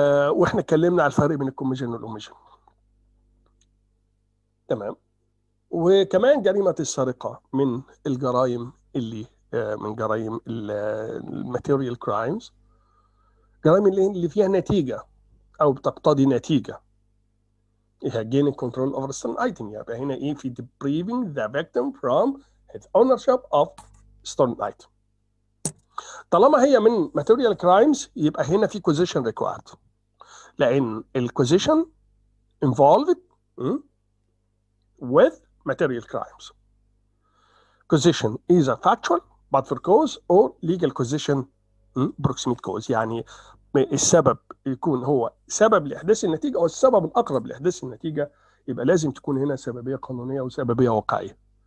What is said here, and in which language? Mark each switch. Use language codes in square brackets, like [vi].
[ar] واحنا اتكلمنا على الفرق بين الكوميجن والاوميجن، تمام. وكمان جريمة السرقة من الجرائم اللي من جرائم الماتيريال كرايمز، جرائم اللي فيها نتيجة او بتقتضي نتيجة، هي [en] gain control over some item. [ar] يبقى هنا ايه؟ في [en] depriving the victim from his ownership of stolen item. [ar] طالما هي من [en] material crimes [ar] يبقى هنا في [en] causation required، [ar] لان [en] causation involved with material crimes. causation is a factual but for cause or legal causation proximate cause، [ar] يعني السبب يكون هو سبب لإحداث النتيجة أو السبب الأقرب لإحداث النتيجة، يبقى لازم تكون هنا سببية قانونية وسببية واقعية.